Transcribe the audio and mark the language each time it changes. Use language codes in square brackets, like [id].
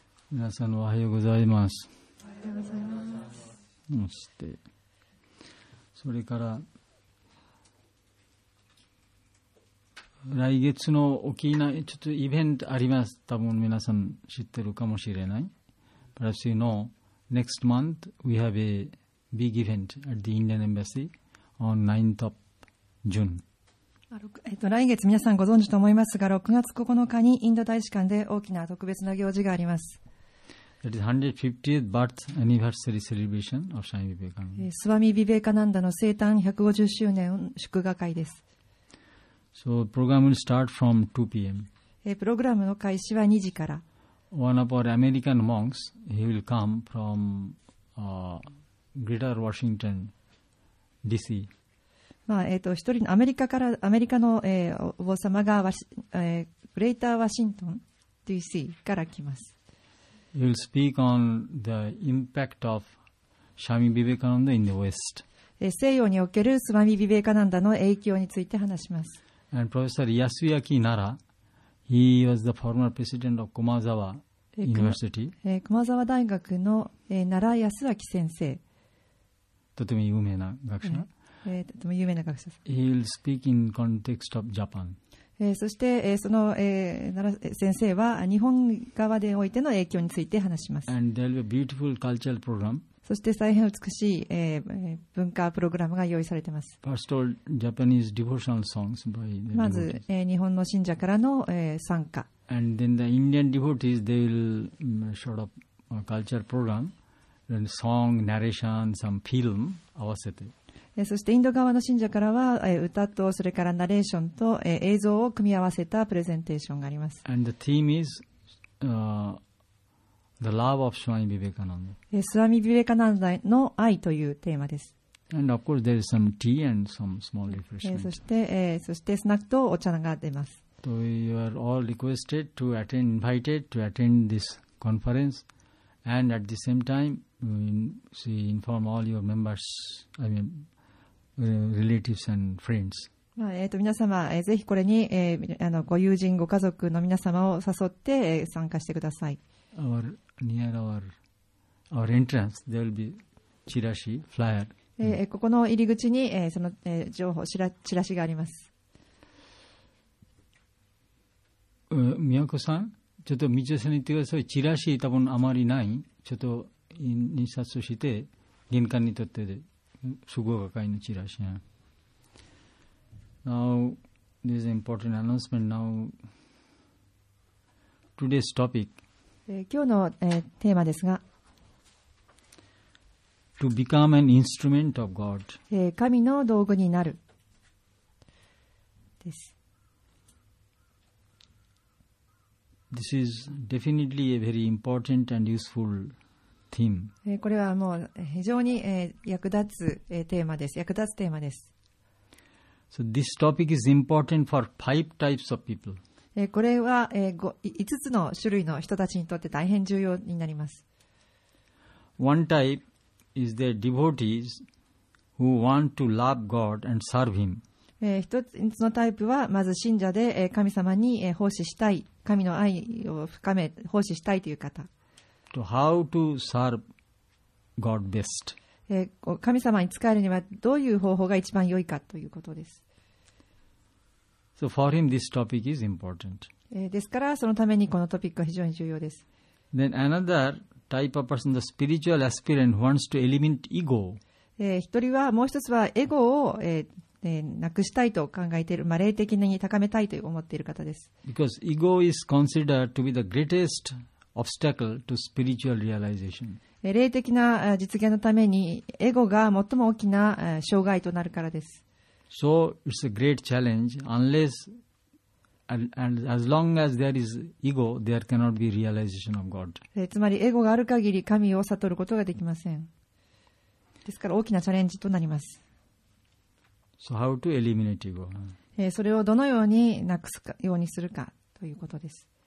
[ja] 皆さんおはようございます。おはようございます。そしてそれから来月の沖縄ちょっとイベントあります。多分皆さん知ってるかもしれない。 [en] Perhaps you know, next month we have a big event at the Indian Embassy on 9th of June. [ja] 来月皆さんご存知と思いますが、6月9日にインド大使館で大きな特別な行事があります。 [en] That is 150th birth anniversary celebration of Swami Vivekananda. [ja] Swami Vivekananda の生誕150周年祝賀会です。 [en] So program will start from 2 p.m. [ja] プログラムの開始は2時から。 [en] One of our American monks, he will come from Greater Washington, D.C. [ja] まあ一人のアメリカからアメリカの、お坊様がGreater Washington, D.C. から来ます。 [en] He will speak on the impact of Swami Vivekananda in the West. [ja] 西洋におけるスワミ・ビベカナンダの影響について話します。 [en] And Professor Yasuyaki Nara, he was the former president of Kumazawa University. [ja] 熊沢大学の奈良康明先生。とても有名な学者。とても有名な学者。 [en] He will speak in context of Japan. [ja] そして、その、奈良先生は日本側でおいての影響について話します。 [en] And there will be a beautiful cultural program. [ja] そして大変美しい、文化プログラムが用意されています。 [en] First of all, Japanese devotional songs by the devotees. [ja] まず、日本の信者からの、参加。 [en] And then the Indian devotees, they will sort of a cultural program, then song, narration, some film [ja] 合わせて。そしてインド側の信者からは歌とそれからナレーションと映像を組み合わせたプレゼンテーションがあります。 [en] And the theme is, the love of Swami Vivekananda. [ja] スワミ・ビベカナンダの愛というテーマです。 [en] And of course there is some tea and some small refreshment. [ja] そしてスナックとお茶が出ます。 [en] So you are all requested to attend, invited to attend this conference and at the same time we inform all your members, I mean,relatives and friends. [ja] 皆様、ぜひこれに、ご友人、ご家族の皆様を誘って、参加してください。 [en] Our, near our entrance, there will be [ja] チラシ、フライヤー。ここの入り口に、その、情報、チラシがあります。宮古さん、ちょっと道枝さんに言ってください。チラシ、多分あまりない。ちょっと印刷して、玄関にとってで。祝賀会のチラシ。 [en] Now, this is an important announcement. Now, today's topic. [ja] 今日の、テーマですが、 [en] To become an instrument of God. [ja] 神の道具になる。です。 [en] This is definitely a very important and useful [ja] これはもう非常に役立つテーマです。役立つテーマです。 [en] So this topic is important for five types of people. [ja] これは5つの種類の人たちにとって大変重要になります。 [en] One type is the devotees who want to love God and serve Him. [ja] 一つのタイプはまず信者で神様に奉仕したい、神の愛を深め奉仕したいという方。 [en] To how to serve God best. [ja] 神様に仕えるにはどういう方法が一番良いかということです。 [en] So for him, this topic is important. [ja] ですからそのためにこのトピックは非常に重要です。 [en] Then another type of person, the spiritual aspirant wants to eliminate ego. [ja] 一人はもう一つはエゴを、なくしたいと考えている、まあ、霊的に高めたいと思っている方です。 [en] Because ego is considered to be the greatest obstacle to spiritual realization. [ja] 霊的な実現のためにエゴが最も大きな障害となるからです。 [en] So it's a great challenge unless and as long as there is ego, there cannot be realization of God. [ja] つまりエゴがある限り神を悟ることができません。ですから大きなチャレンジとなります。 [en] So how to eliminate ego? [ja] それをどのようになくすかようにするかということです。